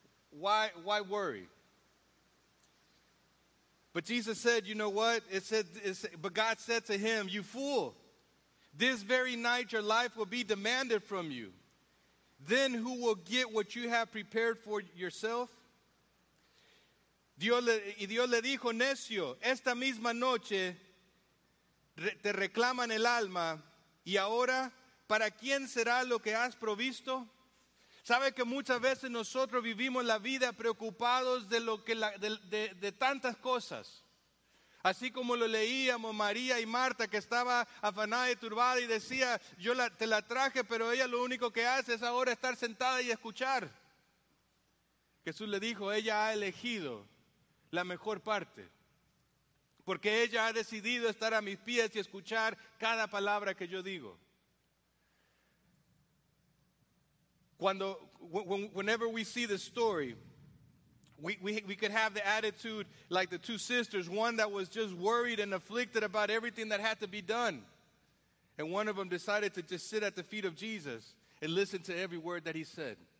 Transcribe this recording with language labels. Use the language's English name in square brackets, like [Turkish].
[English] Why worry? But Jesus said, you know what? But God said to him, you fool. This very night your life will be demanded from you. Then who will get what you have prepared for yourself? [Spanish] Dios le dijo, necio, esta misma noche te reclaman el alma y ahora, ¿para quién será lo que has provisto? ¿Sabe que muchas veces nosotros vivimos la vida preocupados de tantas cosas? Así como lo leíamos María y Marta que estaba afanada y turbada y decía, yo te la traje, pero ella lo único que hace es ahora estar sentada y escuchar. Jesús le dijo, ella ha elegido la mejor parte, porque ella ha decidido estar a mis pies y escuchar cada palabra que yo digo. [English] Whenever we see the story, we could have the attitude like the two sisters, one that was just worried and afflicted about everything that had to be done, and one of them decided to just sit at the feet of Jesus and listen to every word that he said.